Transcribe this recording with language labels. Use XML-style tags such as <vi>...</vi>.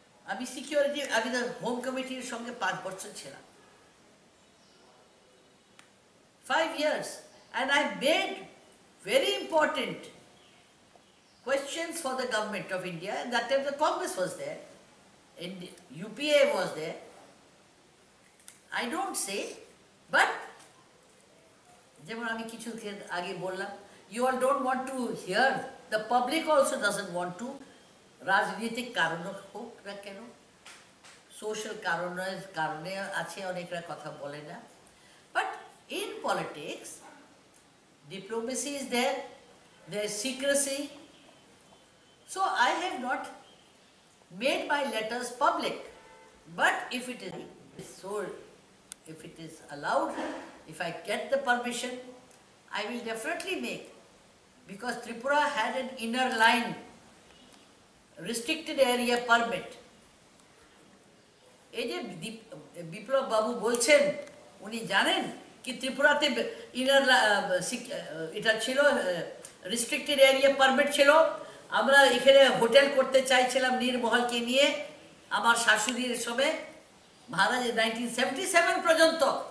<bn>আমি সিকিউরিটি, আমি হোম কমিটির সঙ্গে 5 বছর ছিলাম,</bn> <en>5 years, and I made very important questions for the government of India. At that time the Congress was there, and UPA was there. I don't say, but</en> <bn>যেমন আমি কিছু আগে বললাম,</bn> <en>you all don't want to hear, the public also doesn't want to,</en> <bn>রাজনৈতিক কারণ হোক না কেন, social কারণের কারণে আছে, অনেকরা কথা বলে না,</bn> <en>but in politics diplomacy is there, there is secrecy. So I have not made my letters public, but if it is so, if it is allowed, if I get the permission, I will definitely make, because Tripura had an inner line restricted area permit.</en> <bn>এই যে বিপ্লব বাবু বলছেন, উনি জানেন কি ত্রিপুরাতে inner এটা ছিল, restricted area permit ছিল, আমরা এখানে হোটেল করতে চাইছিলাম নীরমহলকে নিয়ে আমার শাশুড়ির সবে মহারাজ 1977 পর্যন্ত,</bn>